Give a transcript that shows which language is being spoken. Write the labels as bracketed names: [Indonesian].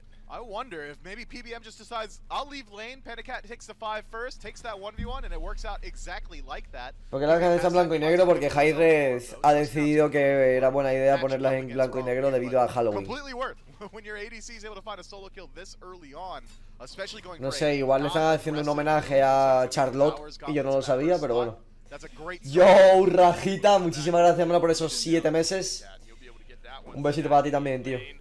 [English] I wonder if maybe PBM just decides I'll leave lane, Panicat takes the 5 first, takes that 1v1 and it works out exactly like that. [Spanish] Porque la cabeza está en blanco y negro porque hi-rez ha decidido que era buena idea ponerlas en blanco y negro debido a Halloween. [English] Completely worth when your ADC is able to find a solo kill this early on, especially going. [Spanish] No sé, igual le están haciendo un homenaje a Charlotte y yo no lo sabía, pero bueno. Yo, Rajita, muchísimas gracias, hermano, por esos 7 meses. Un besito para ti también, tío.